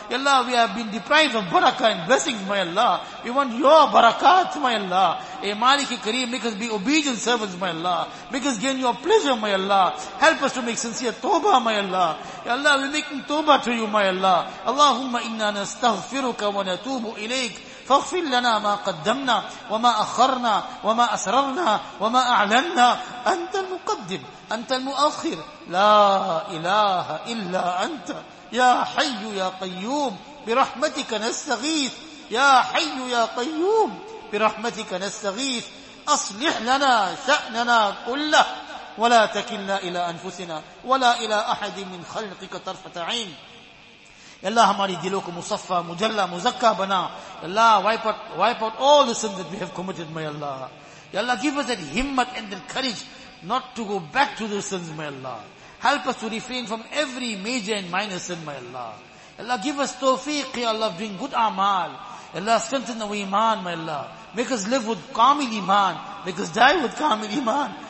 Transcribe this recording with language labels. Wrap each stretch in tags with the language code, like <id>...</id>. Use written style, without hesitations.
<en>Ya Allah, we have been deprived of barakah and blessings, my Allah. We want your barakat, my Allah. Ey Maliki Kareem, make us be obedient servants, my Allah. Make us gain your pleasure, my Allah. Help us to make sincere tawbah, my Allah. Ya Allah, we're making tawbah to you, my Allah.</en> <ar>Allahumma inna nastaghfiruka wa natubu ilayk. فاغفر لنا ما قدمنا وما أخرنا وما أسررنا وما أعلنا أنت المقدم أنت المؤخر لا إله إلا أنت يا حي يا قيوم برحمتك نستغيث يا حي يا قيوم برحمتك نستغيث أصلح لنا شأننا كله ولا تكلنا إلى أنفسنا ولا إلى أحد من خلقك طرفة عين</ar> <en>Allah,</en> <ur>ہماری دلوں کو مصفہ مجلہ مزکہ بنا</ur> <en>Allah, wipe out all the sins that we have committed, my Allah. Ya Allah, give us that himmat and the courage not to go back to those sins, my Allah. Help us to refrain from every major and minor sin, my Allah. Allah, give us tawfiq, Ya Allah, doing good amal. Allah, strengthen our iman, my Allah. Make us live with kamil iman. Make us die with kamil iman.</en>